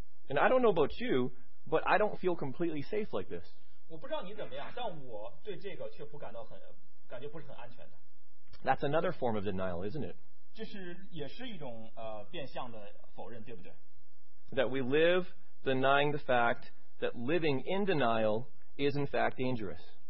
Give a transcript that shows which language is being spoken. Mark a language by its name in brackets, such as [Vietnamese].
[English] And I don't know about you, but I don't feel completely safe like this. [Chinese] 我不知道你怎么样，但我对这个却不感觉不是很安全的。 [English] That's another form of denial, isn't it? [Chinese] 这是也是一种变相的否认，对不对？ [English] That we live denying the fact that living in denial is in fact dangerous.